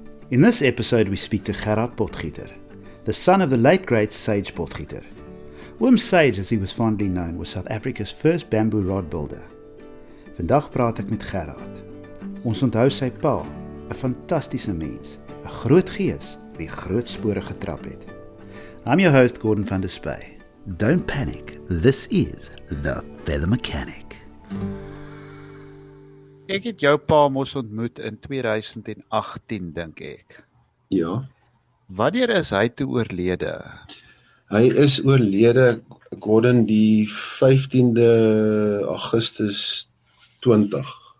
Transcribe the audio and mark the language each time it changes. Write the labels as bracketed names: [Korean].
[English] In this episode we speak to Gerhard Potgieter, the son of the late great Sage Potgieter. Oom Sage, as he was fondly known, was South Africa's first bamboo rod builder. [Afrikaans] Vandag praat ek met Gerhard. Ons onthou sy pa, 'n fantastiese mens, 'n groot gees wie groot spore getrap het. [English] I'm your host, Gordon van der Spey. Don't panic, this is The Feather Mechanic. [Afrikaans] Ek het jou pa mos ontmoet in 2018, dink ek. Ja. Wanneer is hy toe oorlede? Hy is oorlede, Gordon, die 15de Augustus 20.